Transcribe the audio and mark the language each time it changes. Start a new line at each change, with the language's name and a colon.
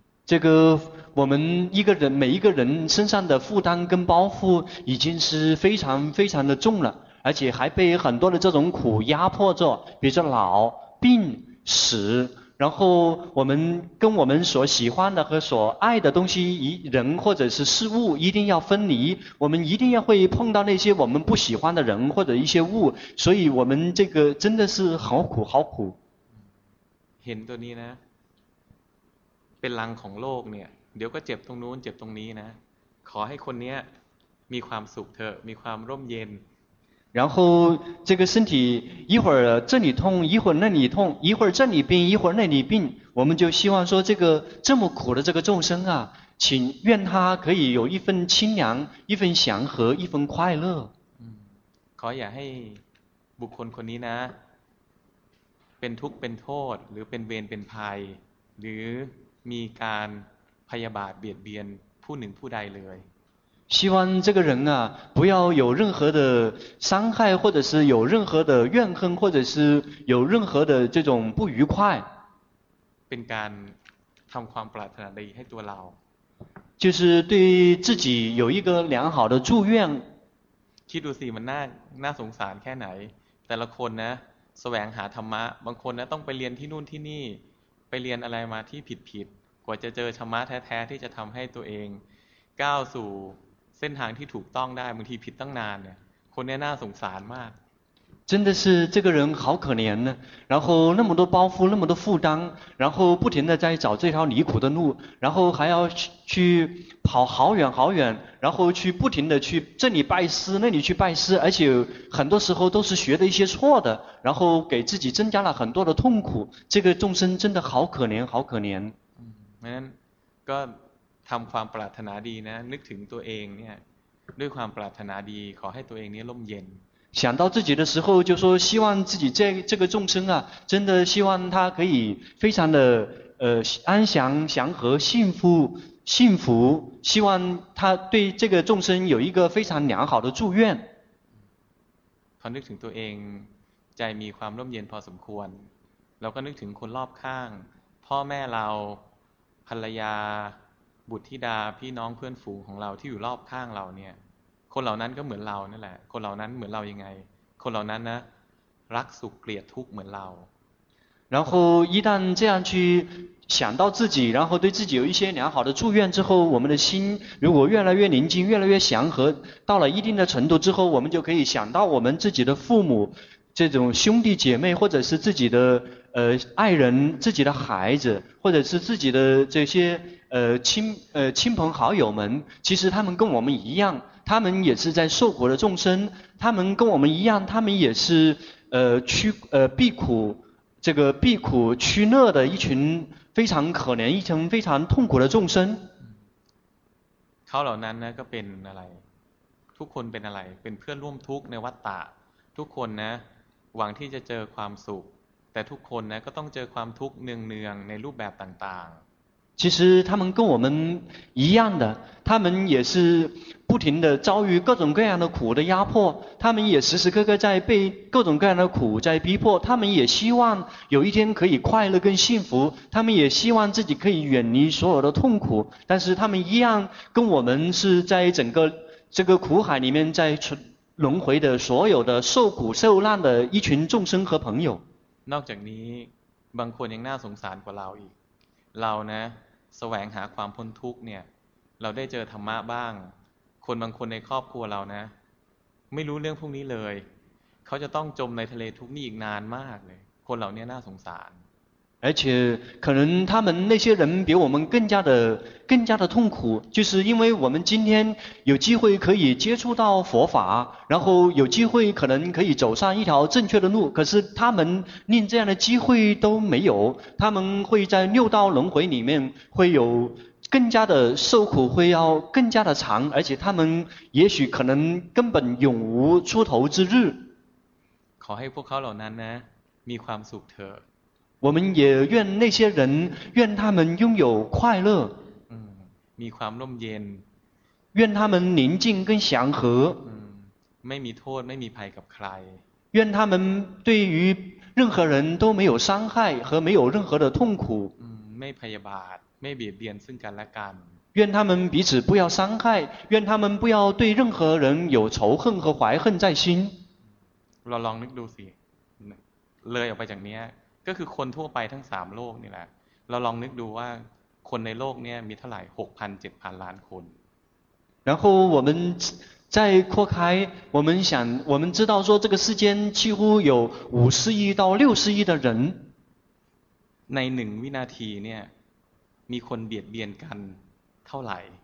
Chinese: 这个我们一个人每一个人身上的负担跟包袱已经是非常非常的重了而且还被很多的这种苦压迫着比如说老病死然后我们跟我们所喜欢的和所爱的东西人或者是事物一定要分离我们一定要会碰到那些我们不喜欢的人或者一些物所以我们这个真的是好苦好苦
Thai: เห็นตัวนี้นะเป็นรังของโลกเนี่ยเดี๋ยวก็เจ็บตรงนู้นเจ็บตรงนี้นะขอให้คนนี้มีความสุขเถอะมีความร่มเย็น
Chinese: 然后这个身体一会儿这里痛一会儿那里痛一会儿这里病一会儿那里病我们就希望说这个这么苦的这个众生啊请愿他可以有一份清凉一份祥和一份快乐
Thai: ขออย่าให้บุคคลคนนี้นะเป็นทุกข์เป็นโทษหรือเป็นเวรเป็นภัยหรือมีการพยาบาทเบียดเบียนผู้หนึ่งผู้ใดเลย
Chinese: 希望这个人啊不要有任何的伤害或者是有任何的怨恨或者是有任何的这种不愉快
Thai: เป็นการทำความปรารถนาดีให้ตัวเรา
Chinese: 就是对自己有一个良好的祝愿
Thai: คิดดูสิมันน่าสงสารแค่ไหนแต่ละคนนะแสวงหาธรรมะบางคนนะต้องไปเรียนที่นู่นที่นี่ไปเรียนอะไรมาที่ผิดกว่าจะเจอธรรมะแท้ๆที่จะทำให้ตัวเองก้าวสู่เส้นทางที่ถูกต้องได้บางทีผิดตั้งนานเนี่ยคนนี้น่าสงสารมาก
Chinese: 真的是这个人好可怜呢然后那么多包袱那么多负担然后不停的在找这条离苦的路然后还要 去跑好远好远然后去不停的去这里拜师那里去拜师而且很多时候都是学的一些错的然后给自己增加了很多的痛苦这个众生真的好可怜好可怜
Thai: 嗯那个ทำความปรารถนาดีนะนึกถึงตัวเองเนี่ยด้วยความปรารถนาดีขอให้ตัวเองนี้ร่มเย็น
Chinese: 想到自己的时候就说希望自己这个众生啊真的希望他可以非常的安详祥和幸福希望他对这个众生有一个非常良好的祝愿
Thai: พอนึกถึงตัวเองใจมีความร่มเย็นพอสมควรเราก็นึกถึงคนรอบข้างพ่อแม่เราภรรยาบุตรธิดาพี่น้องเพื่อนฝูงของเราที่อยู่รอบข้างเราเนี่ยคนเหล่านั้นก็เหมือนเรานั่นแหละคนเหล่านั้นเหมือนเรายังไงคนเหล่านั้นนะรักสุขเกลียดทุกข์เหมือนเรา
Chinese: 然后一旦这样去想到自己然后对自己有一些良好的祝愿之后我们的心如果越来越宁静越来越祥和到了一定的程度之后我们就可以想到我们自己的父母这种兄弟姐妹或者是自己的爱人自己的孩子或者是自己的这些亲朋好友们其实他们跟我们一样他们也是在受苦的众生他们跟我们一样他们也是避苦这个避苦趋乐的一群非常可怜一群非常痛苦的众生
Thai: เขาเหล่านั้นนะก็เป็นอะไรทุกคนเป็นอะไรเป็นเพื่อนร่วมทุกข์ในวัฏฏะทุกคนนะหวังที่จะเจอความสุขแต่ทุกคนนะก็ต้องเจอความทุกข์เนืองๆในรูปแบบต่างๆ
Chinese: 其实他们跟我们一样的他们也是不停地遭遇各种各样的苦的压迫他们也时时刻刻在被各种各样的苦在逼迫他们也希望有一天可以快乐跟幸福他们也希望自己可以远离所有的痛苦但是他们一样跟我们是在整个这个苦海里面在轮回的所有的受苦受难的一群众生和朋友。
Thai: นอกจากนี้บางคนยังน่าสงสารกว่าเราอีกเรานะแสวงหาความพ้นทุกข์เนี่ยเราได้เจอธรรมะบ้างคนบางคนในครอบครัวเรานะไม่รู้เรื่องพวกนี้เลยเขาจะต้องจมในทะเลทุกข์นี่อีกนานมากเลยคนเหล่านี้น่าสงสาร
Chinese: 而且可能他们那些人比我们更加的痛苦，就是因为我们今天有机会可以接触到佛法，然后有机会可能可以走上一条正确的路，可是他们连这样的机会都没有，他们会在六道轮回里面会有更加的受苦，会要更加的长，而且他们也许可能根本永无出头之日。
Thai: ขอให้พวกเขาเหล่านั้นนะมีความสุขเถอะ
Chinese: 我们也愿那些人，愿他们拥有快乐，
Thai: มีความร่มเย็น
Chinese: 愿他们宁静跟祥和，
Thai: ไม่มีโทษไม่มีภัยกับใคร
Chinese: 愿他们对于任何人都没有伤害和没有任何的痛苦，
Thai: ไม่พยาบาทไม่เบียดเบียนซึ่งกันและกัน
Chinese: 愿他们彼此不要伤害，愿他们不要对任何人有仇恨和怀恨在心。
Thai: เราลองนึกดูสิเลยออกไปจากเนี้ยก็คือคนทั่วไปทั้ง3โลกนี่แหละเราลองนึกดูว่าคนในโลกนี้มีเท่าไหร่ 6,000 7,000 ล้านคน
Chinese: 然后我们在扩开我们想我们知道说这个世间几乎有50亿到60亿的人
Thai: ใน1วินาทีเนี่ยมีคนเบียดเบียนกันเท่าไหร่